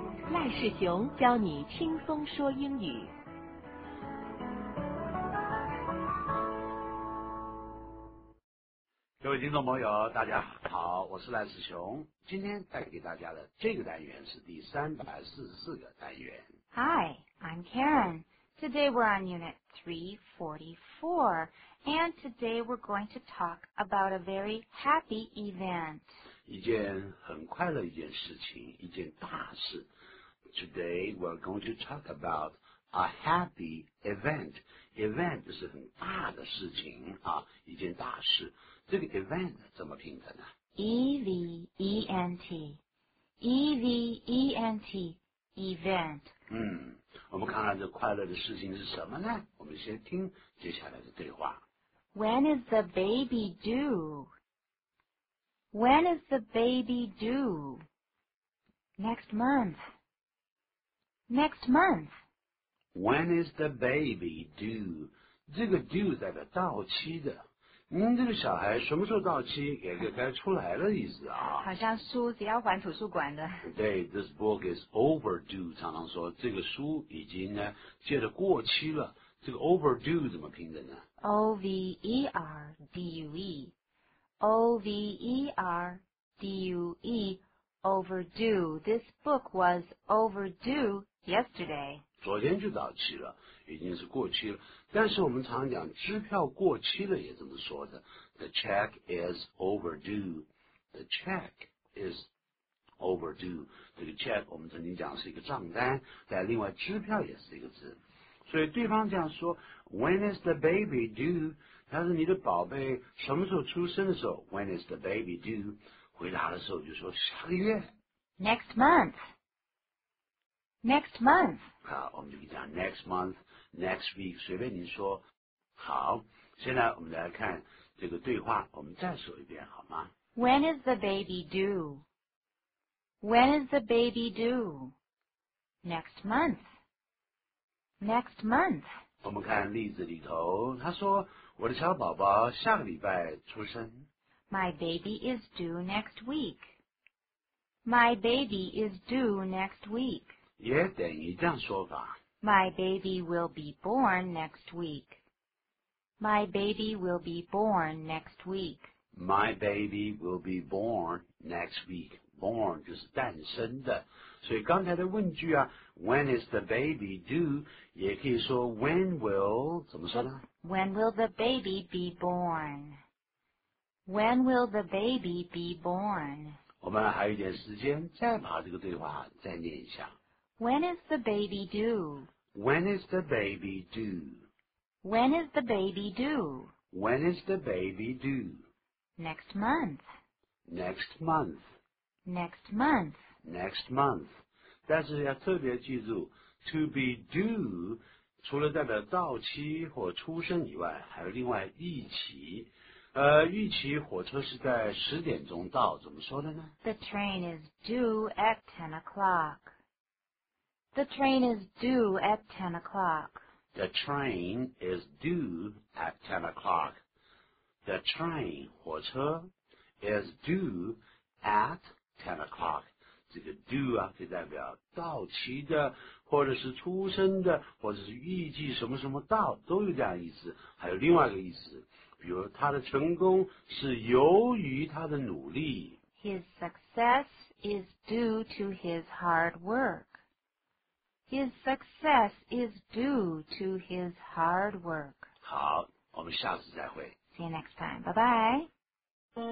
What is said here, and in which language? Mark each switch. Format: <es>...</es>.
<zh>赖世雄教你轻松说英语。各位听众朋友，大家好，我是赖世雄。今天带给大家的这个单元是第344个单元。</zh> <en>Hi, I'm Karen. Today we're on Unit 344, and today we're going to talk about a very happy event.</en> <zh>一件很快乐一件事情，一件大事。</zh> <en>Today we're going to talk about a happy event.</en> <zh>Event 就是很大的事情啊，一件大事。这个 event 怎么拼的呢</zh> <en>？Event, event, event.</en> <zh>嗯，我们看看这快乐的事情是什么呢？我们先听接下来的对话。</zh> <en>When is the baby due? When is the baby due? Next month. Next month. When is the baby due?</en> <zh>这个 due 代表到期的。您这个小孩什么时候到期也该出来的意思啊。好像书只要还图书馆的。对 ,</zh> <en>this book is overdue,</en> <zh>常常说这个书已经呢借得过期了。这个 overdue 怎么拼的呢</zh> <en>?O-V-E-R-D-U-E, O-V-E-R-D-U-E, overdue, this book was overdue yesterday.</en> <zh>昨天就到期了，已经是过期了。但是我们常讲支票过期了也这么说的 ,</zh> <en>the check is overdue,</en> <zh>the check is overdue, 这个 check 我们曾经讲是一个账单，但另外支票也是一个字。所以对方这样说 ,</zh> <en>when is the baby due?</en> <zh>他说你的宝贝什么时候出生的时候 ,</zh> <en>when is the baby due?</en> <zh>回答的时候就说下个月</zh> <en>,next month. Next month.</en> <zh>好，我们就讲</zh> <en>next month, next week,</en> <zh>随便您说。好，现在我们来看这个对话，我们再说一遍好吗？</zh> <en>When is the baby due? When is the baby due? Next month. Next month.</en> <zh>我们看例子里头，他说我的小宝宝下个礼拜出生。</zh> <en>My baby is due next week. My baby is due next week.</en> <zh>也等于这样说法。</zh> <en>My baby will be born next week. My baby will be born next week. My baby will be born next week.</en> <zh>Born 就是诞生的。所以刚才的问句啊 ,</zh> <en>when is the baby due?</en> <zh>也可以说</zh> <en>when will,</en> <zh>怎么说呢</zh> <en>?When will the baby be born? When will the baby be born?</en> <zh>我们还有一点时间再把这个对话再念一下。</zh> <en>When is the baby due? When is the baby due? When is the baby due? When is the baby due? Next month. Next month. Next month. Next month.</en> <zh>但是要特别记住 ,</zh> <en>to be due,</en> <zh>除了代表到期或出生以外还有另外预期。预期火车是在十点钟到怎么说的呢</zh> <en>?The train is due at 10 o'clock. The train is due at 10 o'clock. The train is due at 10 o'clock. The train,</en> <zh>火车,</zh> <en>is due at 10 o'clock.</en> <zh>这个 due 啊就代表到期的或者是出生的或者是预计什么什么到都有这样意思。还有另外一个意思比如他的成功是由于他的努力。</zh> <en>His success is due to his hard work. His success is due to his hard work.</en> <zh>好，我们下次再会。</zh> <en>See you next time. Bye-bye.</en>